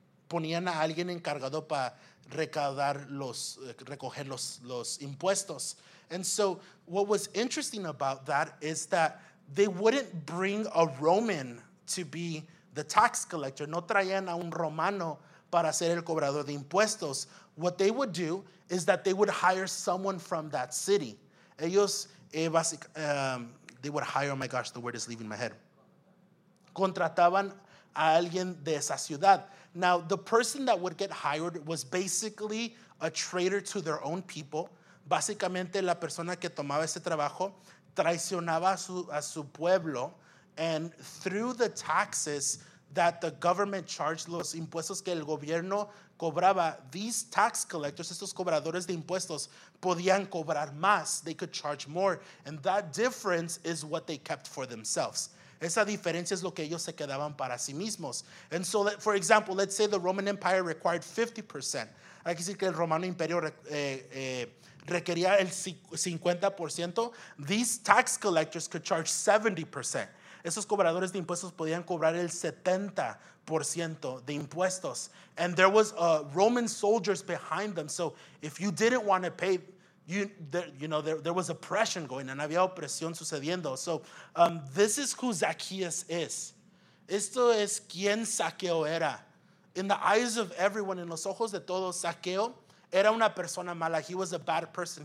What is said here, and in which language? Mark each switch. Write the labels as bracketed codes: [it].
[es] ponían a alguien encargado para recaudar los, recoger los impuestos. [en] And so what was interesting about that is that they wouldn't bring a Roman to be the tax collector. [es] No traían a un romano para ser el cobrador de impuestos. [en] What they would do is that they would hire someone from that city. [es] Ellos, [en] they would hire, oh my gosh, the word is leaving my head. [es] Contrataban a alguien de esa ciudad. [en] Now, the person that would get hired was basically a traitor to their own people. [es] Básicamente, la persona que tomaba ese trabajo traicionaba a su pueblo. [en] And through the taxes that the government charged, [es] los impuestos que el gobierno cobraba, [en] these tax collectors, [es] estos cobradores de impuestos, podían cobrar más. [en] They could charge more. And that difference is what they kept for themselves. [es] Esa diferencia es lo que ellos se quedaban para sí mismos. [en] And so, for example, let's say the Roman Empire required 50%. [es] Hay que decir que el Romano Imperio requería el 50%. [en] These tax collectors could charge 70%. [es] Esos cobradores de impuestos podían cobrar el 70% de impuestos. [en] And there was Roman soldiers behind them. So if you didn't want to pay, there was oppression going on. [es] Había opresión sucediendo. [en] So this is who Zacchaeus is. [es] Esto es quien Zaqueo era. [en] In the eyes of everyone, [es] en los ojos de todos, Zaqueo era una persona mala. [en] He was a bad person.